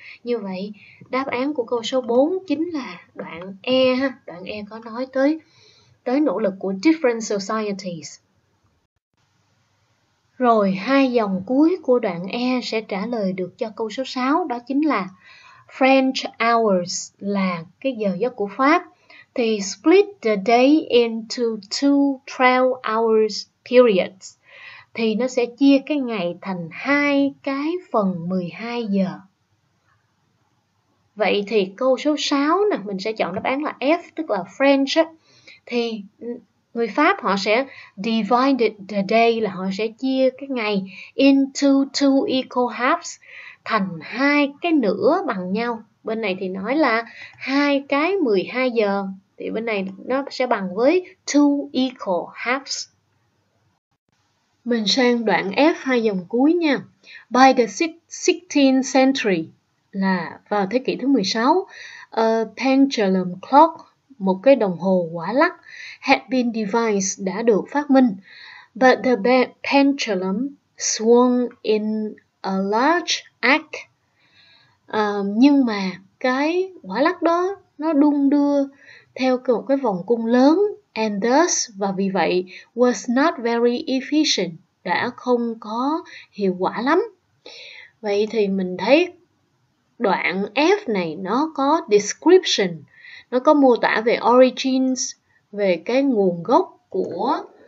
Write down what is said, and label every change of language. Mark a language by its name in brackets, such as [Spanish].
[Vietnamese] Như vậy, đáp án của câu số 4 chính là đoạn E ha. Đoạn E có nói tới nỗ lực của [English] different societies. [Vietnamese] Rồi, hai dòng cuối của đoạn E sẽ trả lời được cho câu số 6, đó chính là French hours, là cái giờ giấc của Pháp. [English] They split the day into two 12 hours periods. [Vietnamese] Thì nó sẽ chia cái ngày thành hai cái phần 12 giờ. Vậy thì câu số 6 nè, mình sẽ chọn đáp án là F, tức là French. Thì người Pháp họ sẽ [English] divide the day, [Vietnamese] là họ sẽ chia cái ngày [English] into two equal halves, [Vietnamese] thành hai cái nửa bằng nhau. Bên này thì nói là hai cái 12 giờ. Thì bên này nó sẽ bằng với [English] two equal halves. [Vietnamese] Mình sang đoạn F, hai dòng cuối nha. [English] By the 16th century, [Vietnamese] là vào thế kỷ thứ 16, [English] a pendulum clock, [Vietnamese] một cái đồng hồ quả lắc, [English] had been devised, [Vietnamese] đã được phát minh. [English] But the pendulum swung in a large arc. [Vietnamese] Nhưng mà cái quả lắc đó nó đung đưa theo một cái vòng cung lớn, [English] and thus, [Vietnamese] và vì vậy, [English] was not very efficient, [Vietnamese] đã không có hiệu quả lắm. Vậy thì mình thấy đoạn F này nó có description, nó có mô tả về origins, về cái nguồn gốc của